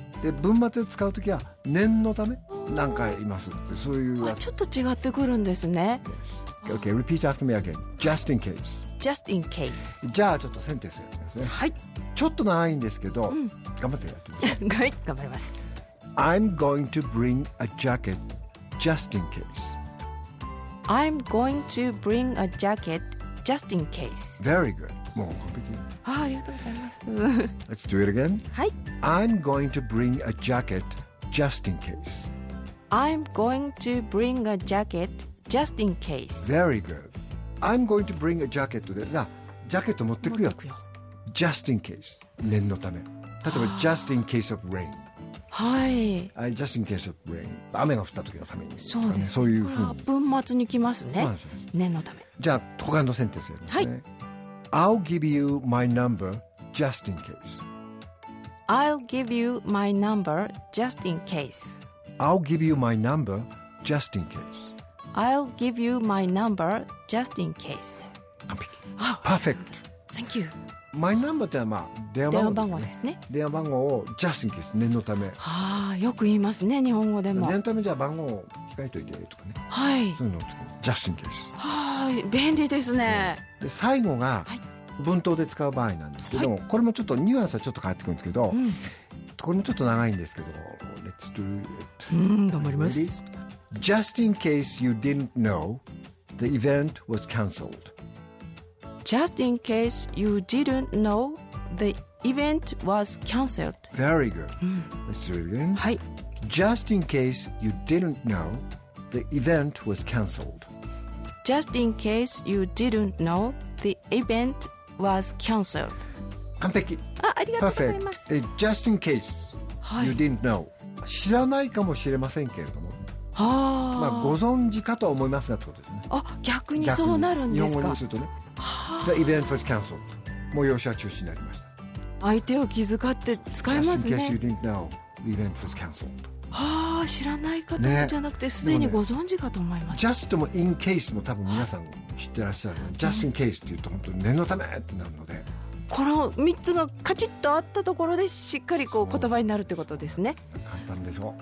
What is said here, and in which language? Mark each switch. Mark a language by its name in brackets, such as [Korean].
[Japanese] で、文末で使うときは念のため何回いますって、そういうちょっと違ってくるんですね。 [English] Yes. Okay, repeat after me again. Just in case. Just in case. [Japanese] じゃあちょっとセンテンスやってみますね。はい、ちょっと長いんですけど、うん、頑張ってやってみます。はい、頑張ります。 [English] I'm going to bring a jacket just in case. I'm going to bring a jacket just in case. Very good. [Japanese] もう完璧。ありがとうございます。 [English] Let's do it again. [Japanese] はい。 [English] I'm going to bring a jacket just in case. I'm going to bring a jacket just in case. Very good. I'm going to bring a jacket. [Japanese] で、な、ジャケット持ってくよ。持ってくよ。 [English] Just in case. [Japanese] 念のため。例えば、 [English] just in case of rain. [Japanese] はい、 [English] Just in case of rain. [Japanese] 雨が降った時のために、そうです、そういうふうに文末に来ますね、まあ、念のため。じゃあ他のセンテンスやりますね、はい、 [English] I'll give you my number just in case. I'll give you my number just in case. I'll give you my number just in case. I'll give you my number just in case. [Japanese] 完璧、 [English] Perfect. Thank you. [Japanese] My number ってのは、まあ、電話番号ですね。電話番号を just in case 念のため、はあ、よく言いますね日本語でも。念のためじゃあ番号を控えといてとかね、はい、そういうのを just in case、はあ、便利ですね。で、最後が文頭で使う場合なんですけども、はい、これもちょっとニュアンスはちょっと変わってくるんですけど、うん、これもちょっと長いんですけど [English] Let's do it、 [Japanese] うん、頑張ります。 [English] Just in case you didn't know the event was cancelled Just in case you didn't know, the event was cancelled. Very good.、Mm. Let's do it again. [Japanese] はい。 [English] Just in case you didn't know, the event was cancelled. Just in case you didn't know, the event was cancelled. [Japanese] 完璧。ありがとうございます。 [English] Just in case you didn't know. [Japanese] 知らないかもしれませんけれども。はあ。まあ、ご存知かとは思いますがってことですね。あ、逆にそうなるんですか。日本語にするとね。 [English] The event was cancelled. [Japanese] 催しは中止になりました。相手を気遣って使えますね。 [English] Just in case you didn't know, the event was cancelled. [Japanese] はあ、知らないかと、ね、じゃなくてすでにご存知かと思います。ね、Just も in case も多分皆さん知ってらっしゃる。Just in case って言うと本当に念のためってなるので。この3つがカチッとあったところでしっかりこう言葉になるってことですね。簡単でしょ。